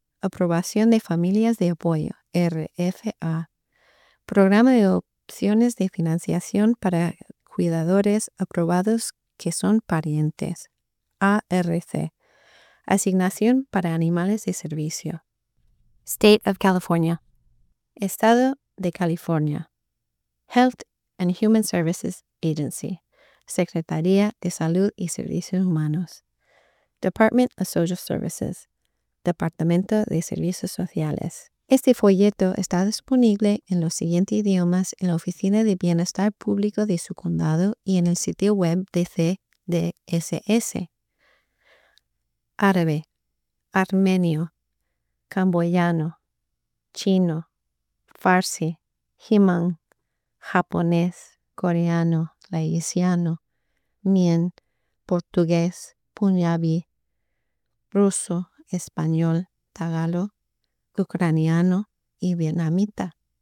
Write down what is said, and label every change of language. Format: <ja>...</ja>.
<es>Aprobación de Familias de Apoyo, RFA. Programa de Opciones de Financiación para Cuidadores aprobados que son parientes. ARC. Asignación para animales de servicio.</es> <en>State of California.</en> <es>Estado de California.</es> <en>Health and Human Services Agency.</en> <es>Secretaría de Salud y Servicios Humanos.</es> <en>Department of Social Services.</en> <es>Departamento de Servicios Sociales. Este folleto está disponible en los siguientes idiomas en la Oficina de Bienestar Público de su condado y en el sitio web de CDSS. Árabe, armenio, camboyano, chino, farsi, himán, japonés, coreano, laosiano, mien, portugués, punjabi, ruso, español, tagalo, ucraniano y vietnamita.</es>